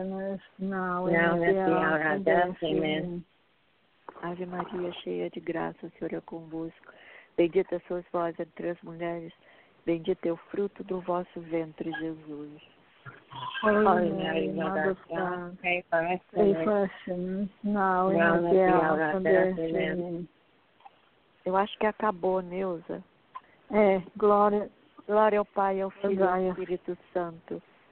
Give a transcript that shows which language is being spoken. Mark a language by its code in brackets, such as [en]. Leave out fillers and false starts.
[en] Holy Mary, Mother of God, pray for us sinners, now and at the hour of death. Amen. [pt] Ave Maria, cheia de graça, o Senhor é convosco. Bendita sois vós entre as mulheres. Bendito é o fruto do vosso ventre, Jesus. [en] Holy Mary, Mother of God, pray for us sinners, now and at the hour of death. [pt] Eu acho que acabou, Neuza. É, glória ao Pai, ao Filho e ao Espírito Santo.